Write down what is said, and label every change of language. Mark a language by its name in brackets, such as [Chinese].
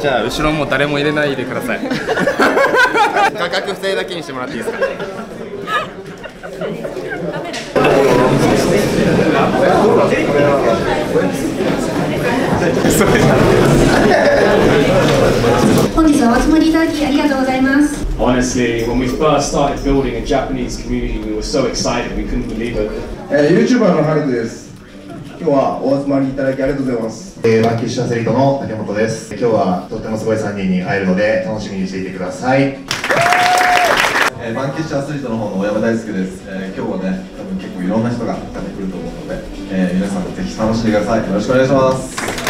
[Japanese] じゃあ後ろも誰も入れないでください。画角不正だけにしてもらっていいですか。本日はお集まりいただきありがとうございます。 [English] Honestly, when we first started building a Japanese community, we were so excited we couldn't believe it. [Japanese] YouTuber のハルです。今日はお集まりいただきありがとうございます。バンキッシュアスリートの竹本です。今日はとってもすごい3人に会えるので楽しみにしていてください。バンキッシュアスリートの方の小山大輔です。今日はね、多分結構いろんな人が来ると思うので、皆さんぜひ楽しんでください。よろしくお願いします。